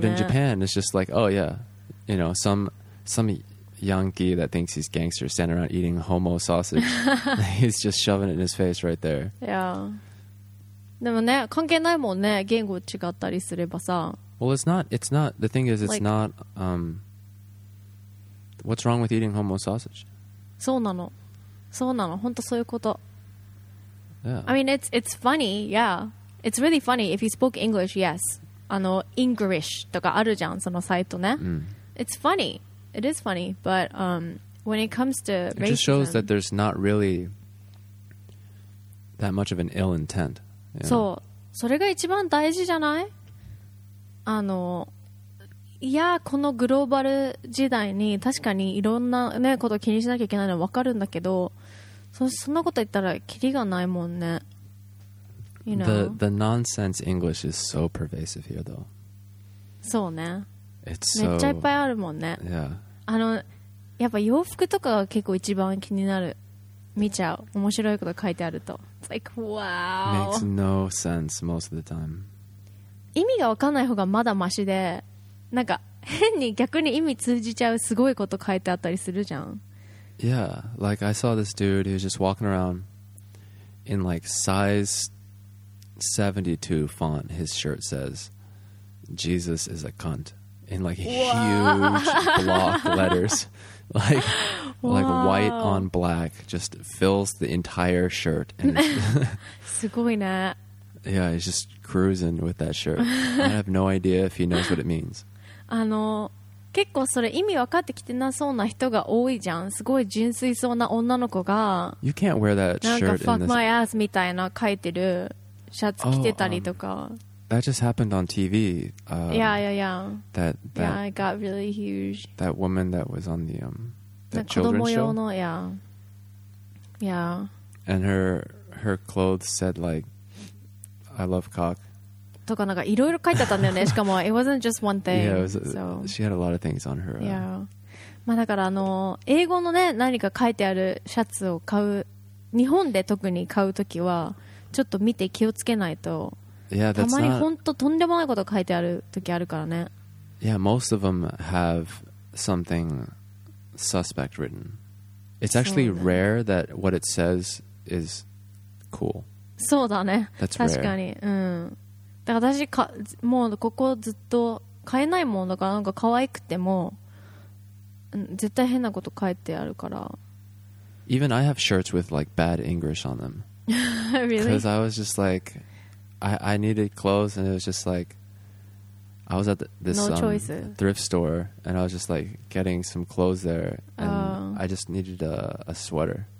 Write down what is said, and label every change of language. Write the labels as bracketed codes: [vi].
[en] But in Japan, it's just like, oh yeah, you know, some Yankee that thinks he's gangster standing around eating Homo sausage. He's just shoving it in his face right there. Yeah. [ja] でもね、関係ないもんね。言語違ったりすればさ。 [en] Well, it's not, the thing is, it's like, not, what's wrong with eating Homo sausage? [ja] そうなの。そうなの。本当そういうこと。 [en] Yeah. I mean, it's funny, yeah. It's really funny if you spoke English, yes. [ja] あの、English とかあるじゃん、そのサイトね。 Mm. [en] It's funny. It is funny, but when it comes to racism, it just shows that there's not really that much of an ill intent. [ja] So, それが一番大事じゃない？あの、いや、このグローバル時代に確かにいろんなねことを気にしなきゃいけないのはわかるんだけど、そんなこと言ったらキリがないもんね。 [en] You know? The nonsense English is so pervasive here, though. [ja] そうね。 [en] It's so, [ja] めっちゃいっぱいあるもんね。 [en] Yeah. [ja] あのやっぱ洋服とかが結構一番気になる。見ちゃう。面白いこと書いてあると。 [en] It's like, wow. Makes no sense most of the time. [ja] 意味が分かんない方がまだマシで、なんか変に逆に意味通じちゃうすごいこと書いてあったりするじゃん。 [en] Yeah, like I saw this dude who was just walking around in like size 72 font. His shirt says, "Jesus is a cunt." In like huge block letters, like white on black, just fills the entire shirt. And [ja] すごいね。 [en] Yeah, he's just cruising with that shirt. I have no idea if he knows what it means. [ja] あの、結構それ意味分かってきてなそうな人が多いじゃん。すごい純粋そうな女の子が、 [en] You can't wear that shirt. [ja] なんか [en] fuck my ass [ja] みたいな書いてるシャツ着てたりとか。 [en] That just happened on TV. Yeah. That yeah, it got really huge. That woman that was on the that children's show. No, yeah. Yeah. And her clothes said like, "I love cock." [ja] とかなんかいろいろ書いてあったんだよね。しかも [en] it wasn't just one thing. Yeah, so she had a lot of things on her. Yeah. [ja] まあだからあの英語のね何か書いてあるシャツを買う日本で特に買うときはちょっと見て気をつけないと。 [en] Yeah, that's [ja] たまに本当とんでもないこと書いてある時あるからね。 [en] Yeah, most of them have something suspect written. It's actually rare that what it says is cool. [ja] そうだね。 [en] That's rare. [ja] 確かに。うん。だから私か、もうここずっと買えないもんだからなんか可愛くても絶対変なこと書いてあるから。 [en] Even I have shirts with like bad English on them. Really? Because I was just like... I needed clothes and it was just like I was at thrift store and I was just like getting some clothes there and I just needed a sweater.